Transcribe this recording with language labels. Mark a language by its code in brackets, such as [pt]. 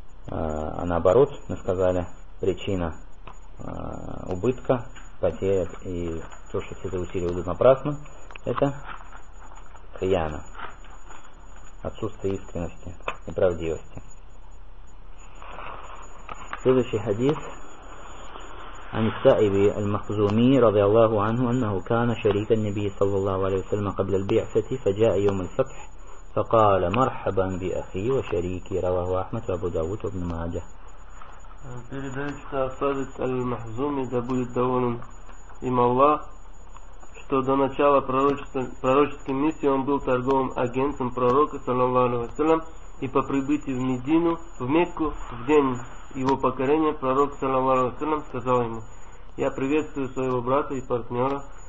[ru] А наоборот, мы сказали, причина убытка, потери и то, что все эти усилия уйдут напрасно, это хияна, отсутствие искренности и правдивости. Следующий хадис. [ar] عن السائب المخزومي رضي الله عنه أنه كان شريك النبي صلى الله عليه وسلم قبل البعثة فجاء يوم الفتح فقال مرحبا بأخي وشريكي رواه أحمد وأبو داود وابن ماجه. [ru] Передает, что Асадит аль-Махзуми, да будет доволен им Аллах, что до начала пророческой миссии он был торговым агентом пророка, саллаллаху алейхи ва саллям, и по прибытии в Медину, в Мекку, в день его покорения, пророк, саллаллаху алейхи ва саллям, сказал ему: «Я приветствую своего брата и партнера».